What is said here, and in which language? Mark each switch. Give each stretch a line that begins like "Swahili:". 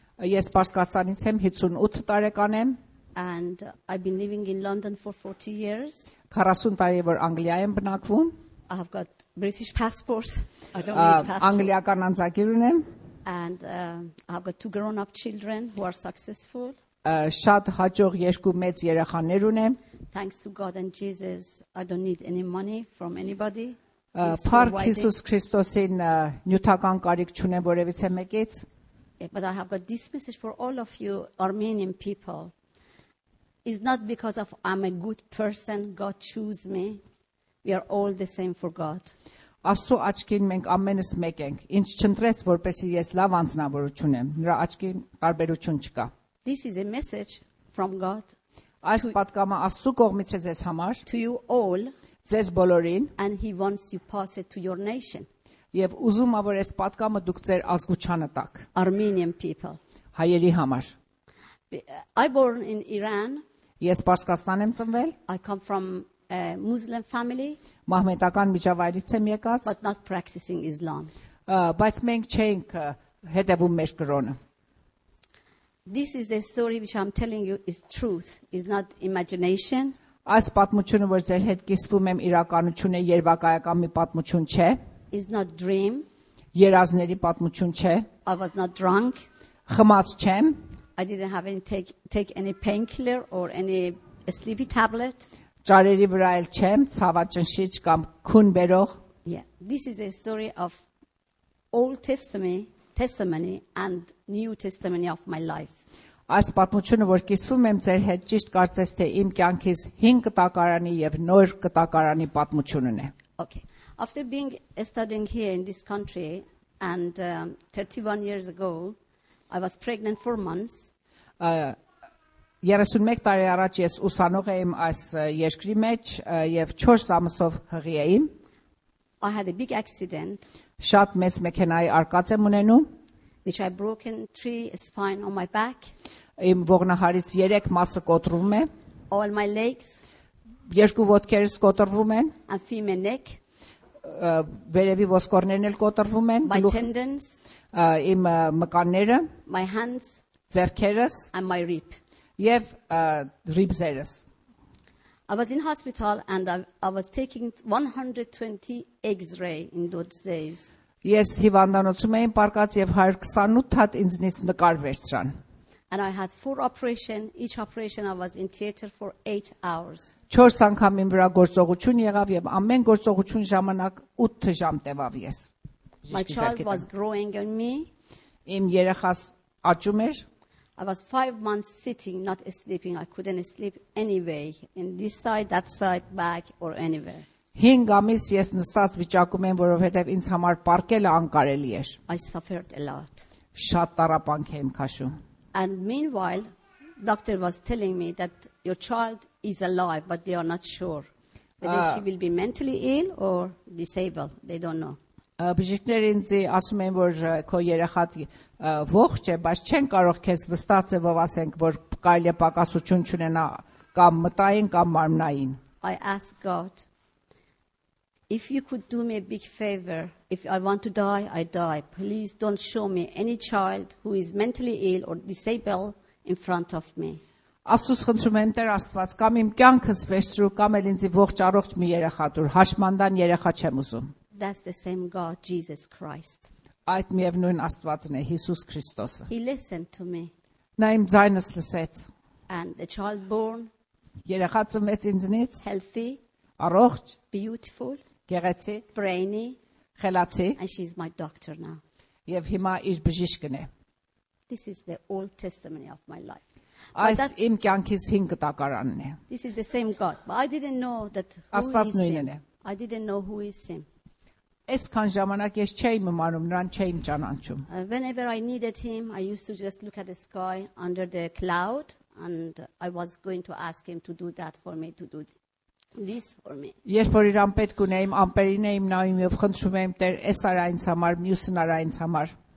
Armenian: Ես Պարսկաստանից եմ, 58 տարեկան եմ.
English: And I've been living in London for 40 years.
Armenian: 40 տարի որ Անգլիա եմ բնակվում.
English: I have got British passport. I don't need passport.
Armenian: Անգլիական անձագիրն եմ.
English: And I have got two grown-up children who are successful.
Armenian: Շատ հաջող երկու մեծ երեխաներ ունեմ.
English: Thanks to God and Jesus, I don't need any money from anybody.
Armenian: Փառք Հիսուս Քրիստոսին նյութական կարիք չունեմ որևիցե մեկից.
English: Yeah, but I have got this message for all of you Armenian people. It's not because of I'm a good person, God choose me. We are all the same for God.
Armenian: Աստու աչքին մենք ամենս մեկ ենք։ Ինչ չընտրեց, որպեսզի ես լավ անձնավորություն եմ, նրա աչքին տարբերություն չկա։
English: This is a message from God.
Armenian: Այս պատգամը Աստու կողմից է ձեզ համար։
English: To you all.
Armenian: Ձեզ բոլորին։
English: And he wants you pass it to your nation.
Armenian: Եվ ուզում ա որ այս պատգամը դուք ձեր ազգությանը տաք։
English: Armenian people.
Armenian: Հայերի համար։
English: I born in Iran.
Armenian: Ես Պարսկաստան եմ ծնվել։
English: I come from a Muslim family.
Armenian: Մահմեդական միջավայրից եմ եկած։
English: But not practicing Islam.
Armenian: Բայց մենք չենք հետևում մեր կրոնը։
English: This is the story which I'm telling you is truth, is not imagination.
Armenian: Այս պատմությունը, որ ձեր հետ կիսվում եմ, իրականություն է, երևակայական մի պատմություն չէ։
English: Is not dream.
Armenian: Երազների պատմություն չէ։
English: I was not drunk.
Armenian: Խմած չեմ։
English: I didn't have any take any painkiller or any sleepy tablet.
Armenian: Ճարերի վրա էլ չեմ, ցավաճնշիչ կամ քուն բերող։
English: Yeah. This is the story of Old Testament and New Testament of my life.
Armenian: Այս պատմությունը, որ կիսվում եմ ձեր հետ, ճիշտ կարծես թե իմ կյանքիս 5 կտակարանի եւ նոր կտակարանի պատմությունն է։
English: Okay. After being studying here in this country and 31 years ago I was pregnant for months.
Armenian: Ես 31 տարի առաջ ես ուսանող եմ այս երկրի մեջ եւ 4 ամսով հղի էի։
English: I had a big accident.
Armenian: Շատ մեծ մեքենայի արկած եմ ունենում.
English: Which I broken 3 spine on my back.
Armenian: Իմ ողնահարից 3 մասը կոտրվում է։
English: All my legs.
Armenian: Երկու ոտքերս կոտրվում են։
English: And femur neck.
Armenian: Վերևի ոսկորներն էլ կոտրվում են։
English: My tendons.
Armenian: Իմ մկանները։
English: My hands.
Armenian: Ձեռքերս։
English: And my rib.
Armenian: Եվ ribs-երս։
English: I was in hospital and I was taking 120 x-ray in those days.
Armenian: Ես հիվանդանոցում էին պարկած եւ 128 հատ ինձնից նկար վերցրան։
English: And I had 4 operation, each operation I was in theater for 8 hours.
Armenian: 4 անգամ իմ վրա գործողություն եղավ եւ ամեն գործողություն ժամանակ 8 ժամ տևավ ես։
English: My child was growing on me.
Armenian: Իմ երեխաս աճում էր։
English: I was 5 months sitting, not sleeping. I couldn't sleep anyway, in this side, that side, back or anywhere.
Armenian: 5 ամիս ես նստած վիճակում եմ, որովհետև ինձ համար պարկելը անկարելի էր։
English: I suffered a lot.
Armenian: Շատ տարապանք եմ քաշում։
English: And meanwhile, doctor was telling me that your child is alive, but they are not sure whether she will be mentally ill or disabled. They don't know.
Armenian: Բժիշկները ինձ ասում են, որ քո երեխան ողջ է, բայց չեն կարող քեզ վստահ ձևով ասենք, որ կարելի է պակասություն չունենա կամ մտային կամ մարմնային։
English: I ask God, if you could do me a big favor, if I want to die, I die. Please don't show me any child who is mentally ill or disabled in front of me.
Armenian: Աստուծո, խնդրում եմ Տեր Աստված, կամ իմ կյանքս վերցրու, կամ էլ ինձ ողջ առողջ մի երեխա տուր, հաշմանդան երեխա չեմ ուզում.
English: That's the same God, Jesus Christ.
Armenian: Այդ միևնույն Աստվածն է, Հիսուս Քրիստոսը.
English: He listened to me.
Armenian: Նա իմ ձայնս լսեց.
English: And the child born.
Armenian: Երեխա ծնվեց ինձնից.
English: Healthy.
Armenian: Առողջ.
English: Beautiful.
Armenian: Գեղեցի,
English: Brainy,
Armenian: խելացի,
English: and she's my doctor now.
Armenian: Եվ հիմա իր բժիշկն է։
English: This is the old testimony of my life.
Armenian: Այս իմ կյանքիս 5 կտակարանն է։
English: This is the same God, but I didn't know that who is him.
Armenian: Աստված նույնն է։
English: I didn't know who is him.
Armenian: Ես քան ժամանակ ես չէի իմանում նրան, չէի ճանաչում։
English: Whenever I needed him, I used to just look at the sky under the cloud and I was going to ask him to do that for me, to do this. This for me.
Armenian: Ես որ իրան պետք ունեմ, ամպերին եմ նայում եւ խնդրում եմ Տեր, ես արա ինձ համար, մյուսն արա ինձ համար.